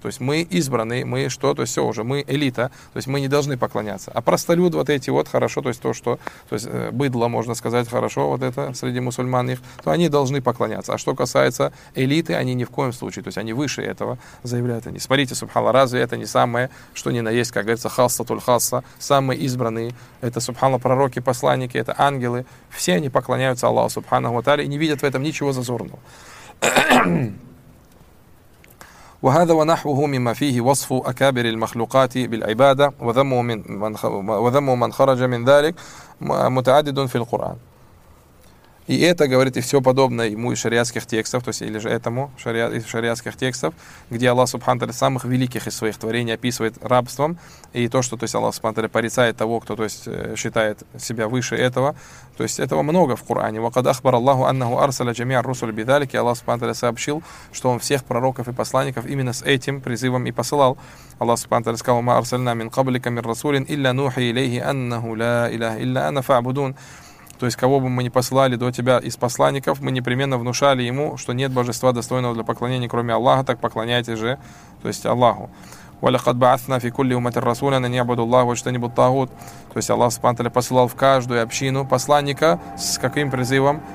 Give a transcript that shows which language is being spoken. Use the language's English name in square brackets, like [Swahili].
[Russian] То есть мы избраны, мы что, то есть все уже, мы элита, то есть мы не должны поклоняться. А простолюд вот эти вот, хорошо, то есть то, что, то есть быдло, можно сказать, хорошо, вот это среди мусульман их, то они должны поклоняться. А что касается элиты, они ни в коем случае, то есть они выше этого заявляют они. Смотрите, субханаллах, разве это не самое, что ни на есть, как говорится, хасса-туль-хасса, самые избранные, это, субханаллах, пророки, посланники, это ангелы, все они поклоняются Аллаху, субханаху ва тааля, и не видят в этом ничего зазорного. [Arabic] وهذا ونحوه مما فيه وصف أكابر المخلوقات بالعبادة وذمه من خرج من ذلك متعدد في القرآن. [Russian] И это, говорит, и все подобное ему из шариатских текстов, то есть или же этому из шариатских текстов, где Аллах субхану тааля самых великих из своих творений описывает рабством, и то, что то есть, Аллах субхану тааля порицает того, кто то есть, считает себя выше этого, то есть этого много в Коране. [Arabic] وَقَدْ أَخْبَرَ اللَّهُ أَنَّهُ أَرْسَلَ جَمِيعَ الرُّسُلَ بِذَلِكَ. [Russian] Аллах субхану тааля сообщил, что он всех пророков и посланников именно с этим призывом и посылал. Аллах субхану тааля сказал: [Arabic] مَا أَرْسَلْنَا مِنْ قَبْلِكَ مِنْ رَسُولٍ إِلَّا نُوحِي إِلَيْهِ أَنَّهُ لَا إِلَهَ إِلَّا أَنَا فَاعْبُدُونَ. [Russian] То есть, кого бы мы ни посылали до тебя из посланников, мы непременно внушали ему, что нет божества достойного для поклонения, кроме Аллаха, так поклоняйтесь же, то есть, Аллаху. [Arabic] وَلَقَدْ بَعَثْنَا فِي كُلِّ أُمَّةٍ رَسُولًا أَنْ يَعْبُدُوا اللَّهَ وَاجْتَنِبُوا الطَّاغُوتَ. [Russian] То есть, Аллах субхану тааля посылал в каждую общину посланника с каким призывом?